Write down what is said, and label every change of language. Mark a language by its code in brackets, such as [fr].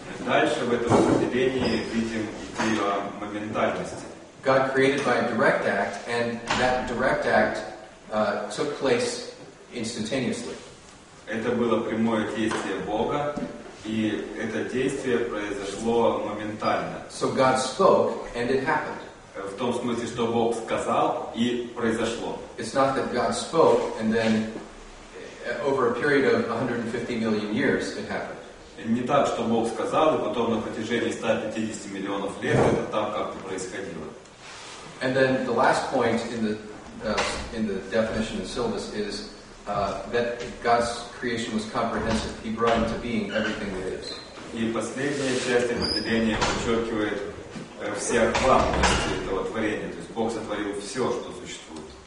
[ru] Дальше в этом определении видим идею о моментальности. [en] God created by a direct act, and that direct act took place instantaneously. [ru] Это было прямое действие Бога, и это действие произошло моментально. [en] So God spoke, and it happened. [ru] В том смысле, что Бог сказал, и произошло. [en] It's not that God spoke, and then over a period of 150 million years, it happened. [ru] Не так, что Бог сказал, и потом на протяжении 150 миллионов лет это там как-то происходило. [en] And then the last point in the definition of syllabus is that God's creation was comprehensive. He brought into being everything that is. [ru] И последняя часть определения подчеркивает всеохватность этого творения. То есть Бог сотворил все, что существует.